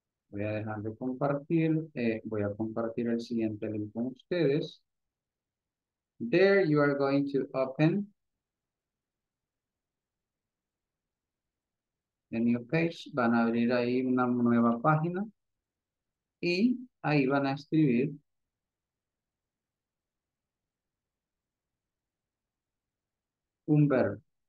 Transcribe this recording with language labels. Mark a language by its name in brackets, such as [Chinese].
[Spanish] Voy a dejar de compartir, voy a compartir el siguiente link con ustedes. [English] There you are going to open a new page. [Spanish] Van a abrir ahí una nueva página y ahí van a escribir un verbo.